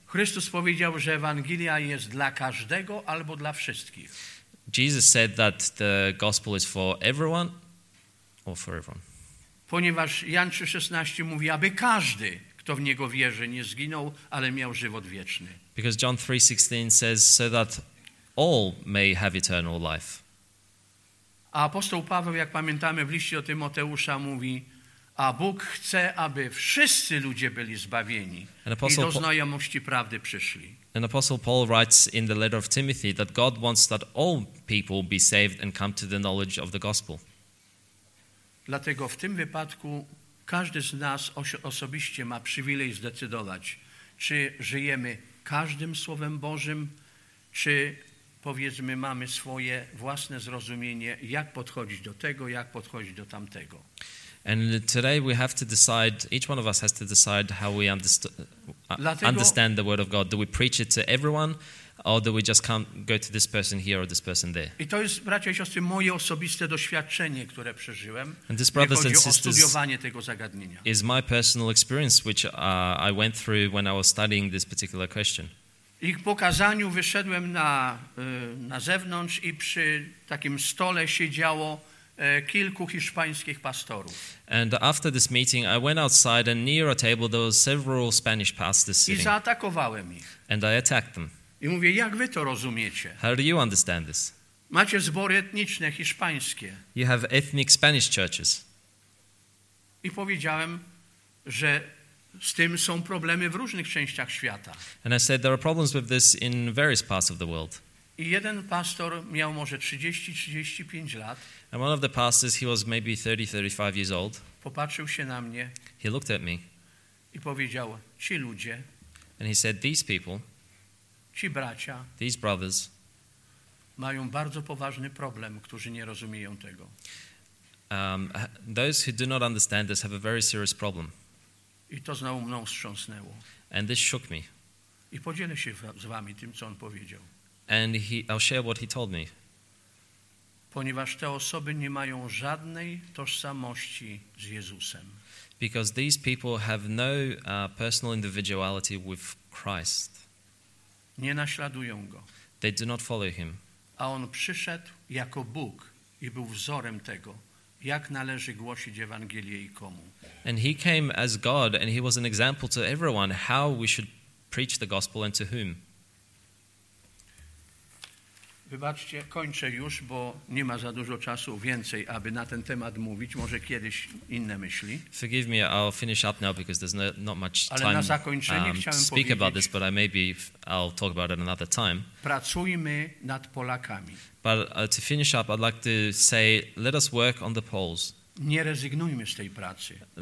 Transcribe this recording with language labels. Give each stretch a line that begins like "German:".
Polish: Chrystus powiedział, że Ewangelia jest dla każdego albo dla wszystkich.
English: Jesus said that the gospel is for everyone or for everyone.
Polish: Ponieważ Jan 3:16 mówi, aby każdy, kto w niego wierzy, nie zginął, ale miał żywot wieczny.
English: Because John 3:16 says so that all may have eternal life.
Polish: A apostoł Paweł, jak pamiętamy, w liście do Tymoteusza mówi, a Bóg chce, aby wszyscy ludzie byli zbawieni i do znajomości prawdy przyszli.
English: And apostle Paul writes in the letter of Timothy that God wants that all people be saved and come to the knowledge of the gospel.
Polish: Dlatego w tym wypadku każdy z nas osobiście ma przywilej zdecydować, czy żyjemy każdym Słowem Bożym, czy powiedzmy mamy swoje własne zrozumienie, jak podchodzić do tego, jak podchodzić do tamtego.
English: And today we have to decide, each one of us has to decide how we understand the word of God. Do we preach it to everyone, or do we just come go to this person here or this person there?
Polish: I to jest, bracia i siostry, moje osobiste doświadczenie, które przeżyłem.
English: And this, brothers and sisters,
Polish: studiowanie tego zagadnienia.
English: Is my personal experience, which I went through when I was studying this particular question.
Polish: I po kazaniu wyszedłem na zewnątrz i przy takim stole siedziało kilku hiszpańskich pastorów.
English: And after this meeting, I went outside and near a table there were several Spanish pastors sitting.
Polish: I zaatakowałem ich.
English: And I attacked them.
Polish: I mówię, jak wy to rozumiecie?
English: How do you understand this?
Polish: Macie zbory etniczne hiszpańskie.
English: You have ethnic Spanish churches.
Polish: I powiedziałem, że z tym są problemy w różnych częściach świata.
English: And I said there are problems with this in various parts of the world.
Polish: I jeden pastor miał może 30-35 lat.
English: And one of the pastors, he was maybe 30-35 years old.
Polish: Popatrzył się na mnie.
English: He looked at me.
Polish: I powiedział, ci ludzie.
English: And he said, these people.
Polish: Ci bracia.
English: These brothers.
Polish: Mają bardzo poważny problem, którzy nie rozumieją tego.
English: Those who do not understand this have a very serious problem.
Polish: I to znowu mną wstrząsnęło.
English: And this shook me.
Polish: I podzielę się z wami tym, co on powiedział.
English: And I'll share what he told me.
Polish: Ponieważ te osoby nie mają żadnej tożsamości z Jezusem.
English: Because these people have no personal individuality with Christ.
Polish: Nie naśladują go.
English: They do not follow him.
Polish: A on przyszedł jako Bóg i był wzorem tego, jak należy głosić Ewangelię i komu.
English: And he came as God and he was an example to everyone how we should preach the gospel and to whom.
Polish: Wybaczcie, kończę już, bo nie ma za dużo czasu więcej, aby na ten temat mówić. Może kiedyś inne myśli.
English: Forgive me, I'll finish up now because there's not much time.
Polish: Ale na zakończenie chciałem
English: speak about this, but I maybe I'll talk about it another time.
Polish: Pracujmy nad Polakami.
English: But to finish up, I'd like to say, let us work on the Poles.
Polish: Nie rezygnujmy z tej pracy.